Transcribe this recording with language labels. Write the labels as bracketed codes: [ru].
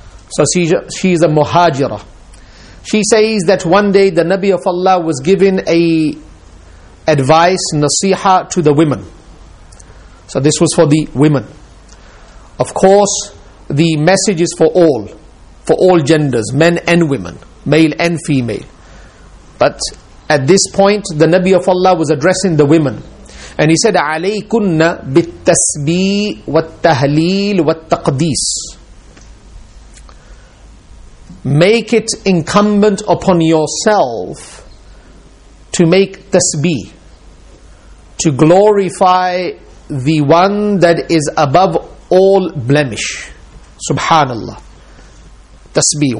[en] So she is a Muhajira. She says that one day the Nabi of Allah was given a advice, nasiha, to the women. So this was for the women. Of course, the message is for all genders, men and women, male and female. But at this point, the Nabi of Allah was addressing the women. And he said, [ar] عَلَيْكُنَّ بِالتَّسْبِيحِ وَالتَّهْلِيلِ وَالتَّقْدِيسِ. [en] Make it incumbent upon yourself to make tasbih, to glorify the one that is above all blemish. Subhanallah. Tasbih.